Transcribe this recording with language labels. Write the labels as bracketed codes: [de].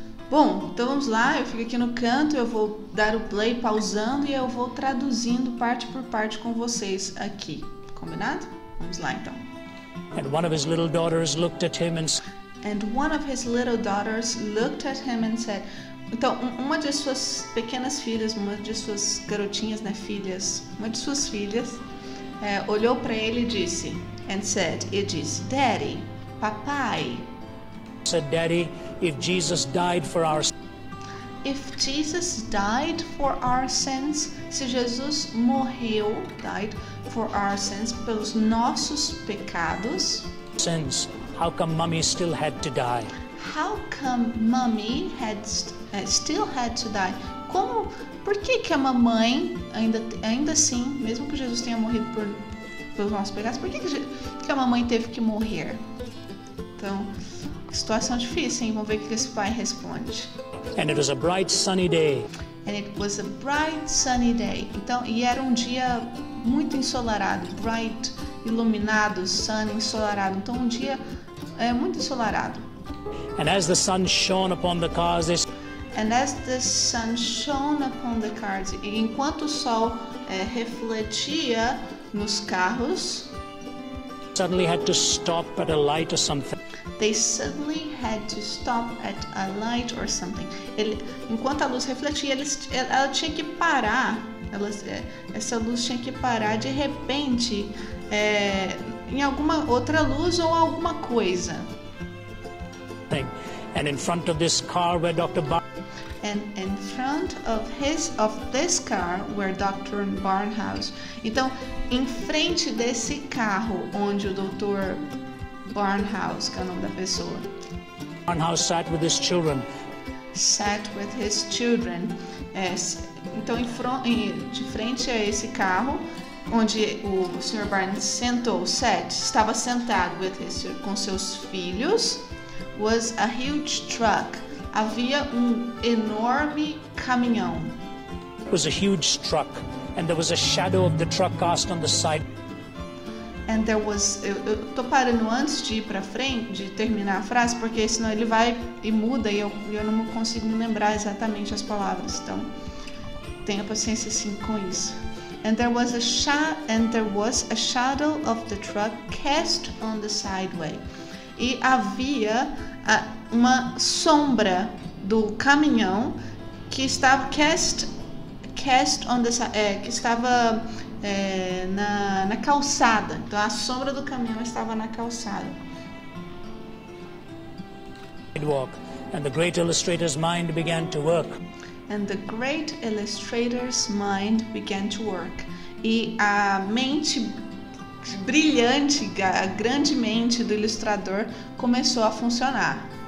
[pt] Bom, então vamos lá. Eu fico aqui no canto, eu vou dar o play pausando e eu vou traduzindo parte por parte com vocês aqui. Combinado? Vamos lá, então. [en] And one of his little daughters looked at him and And one of his little daughters looked at him and said. [pt] Então, uma de suas pequenas filhas, uma de suas garotinhas, né, filhas, uma de suas filhas, olhou para ele e disse, [en] and said, [pt] e disse, [en] Daddy, [pt] papai. [en] said, Daddy, if Jesus died for our If Jesus died for our sins, [pt] se Jesus morreu, [en] died for our sins, [pt] pelos nossos pecados. [en] sins, how come mommy still had to die? How come mommy still had to die? [pt] Como, por que que a mamãe ainda assim, mesmo que Jesus tenha morrido pelos nossos pecados, por que que a mamãe teve que morrer? Então, situação difícil, hein? Vamos ver o que esse pai responde. [en] And it was a bright sunny day. And it was a bright sunny day. [pt] Então, e era um dia muito ensolarado, bright, iluminado, sunny, ensolarado. Então, um dia muito ensolarado. [en] And as the sun shone upon the cars, they And as the sun shone upon the cars, [pt] e enquanto o sol refletia nos carros, [en] suddenly had to stop at a light or something. they suddenly had to stop at a light or something. [pt] Enquanto a luz refletia, ela tinha que parar. Essa luz tinha que parar de repente em alguma outra luz ou alguma coisa. [en] And in front of this car where Dr. Barnhart And in front of this car where Dr. Barnhouse. [pt] Então, em frente desse carro onde o Dr. Barnhouse, que é o nome da pessoa, [en] Barnhouse sat with his children. sat with his children. [pt] Então, de frente a esse carro onde o Sr. Barnes sentou, estava sentado com seus filhos, [en] was a huge truck. [pt] Havia um enorme caminhão. [en] Was a huge truck, and there was a shadow of the truck cast on the side. And there was. [pt] Eu tô parando antes de ir para frente, de terminar a frase, porque senão ele vai e muda e eu não consigo lembrar exatamente as palavras. Então, tenha paciência sim com isso. [en] And there was a shadow of the truck cast on the sideway. [pt] E havia uma sombra do caminhão que estava [en] cast on the [pt] que estava na calçada. Então, a sombra do caminhão estava na calçada. [en] Sidewalk, and the great illustrator's mind began to work. And the great illustrator's mind began to work. [pt] E a mente brilhante, a grande mente do ilustrador começou a funcionar.